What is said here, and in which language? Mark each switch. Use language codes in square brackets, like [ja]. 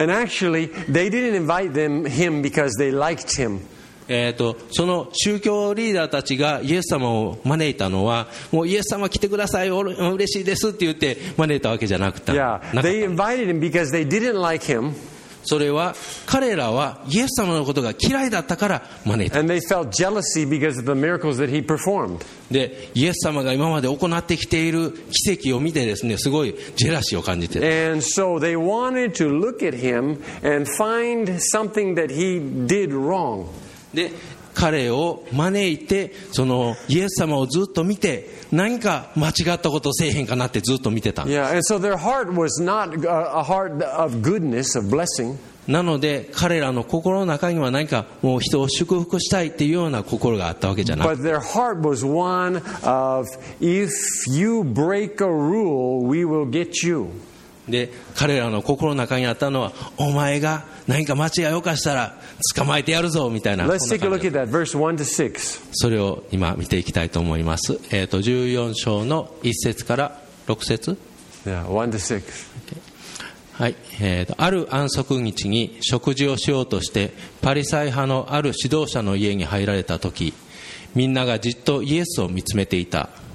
[en] And actually, they didn't invite him because they liked him. [ja] その宗教リーダーたちがイエス様を招いたのは、もうイエス様来てください、嬉しいですって言って招いたわけじゃなくて、 [en] Yeah, they invited him because they didn't like him. [ja] それは彼らはイエス様のことが嫌いだったから招いた。 [en] And they felt jealousy because of the miracles that he performed. [ja] でイエス様が今まで行ってきている奇跡を見てですね、すごいジェラシーを感じて。 [en] And so they wanted to look at him and find something that he did wrong. [ja] で彼を招いて、そのイエス様をずっと見て、何か間違ったことをせえへんかなってずっと見てたんです。 [en] Yeah, and so their heart was not a heart of goodness, of blessing. [ja] なので彼らの心の中には何かもう人を祝福したいっていうような心があったわけじゃない。 [en] But their heart was one of, if you break a rule, we will get you. [ja] で彼らの心の中にあったのは、お前が何か間違いを犯したら捕まえてやるぞみたいな。 [en] Let's take a look at that, verse 1 to 6. [ja] それを今見ていきたいと思います。 14章の1節から6節。 [en] Yeah, 1 to 6. Okay. [ja] はい、ある安息日に食事をしようとしてパリサイ派のある指導者の家に入られた時、みんながじっとイエスを見つめていた。